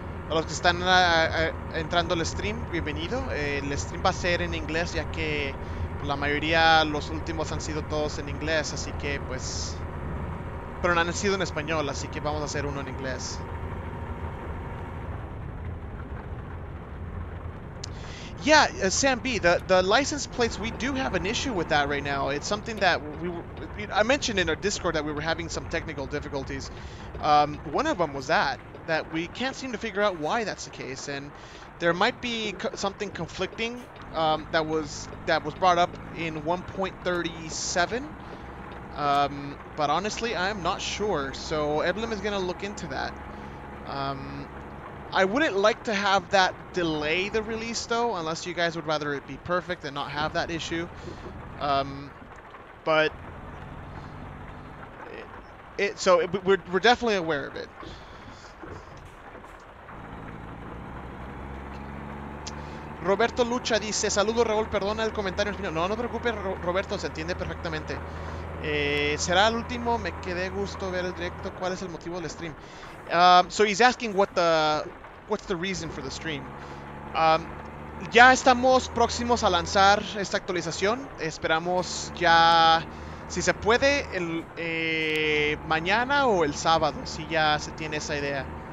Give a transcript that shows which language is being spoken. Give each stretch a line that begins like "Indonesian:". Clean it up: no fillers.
Spanish: A los que están entrando al stream, bienvenido. El stream va a ser en inglés, ya que la mayoría los últimos han sido todos en inglés, así que pues. Pero no han sido en español, así que vamos a hacer uno en inglés.
English: Yeah, Sam B, the license plates, we do have an issue with that right now. It's something that I mentioned in our Discord that we were having some technical difficulties. One of them was that we can't seem to figure out why that's the case, and there might be co something conflicting that was brought up in 1.37. But honestly, I'm not sure. So Eblem is gonna look into that. I wouldn't like to have that delay the release, though, unless you guys would rather it be perfect and not have that issue. But we're definitely aware of it.
Spanish: Roberto Lucha dice, saludo Raúl, perdona el comentario. No, no te preocupes, Roberto, se entiende perfectamente. Será el último, me quedé gusto ver el directo. ¿Cuál es el motivo del stream?
English: So he's asking what's the reason for the stream.
Spanish: Ya estamos próximos a lanzar esta actualización. Esperamos ya, si se puede, mañana o el sábado, si ya se tiene esa idea.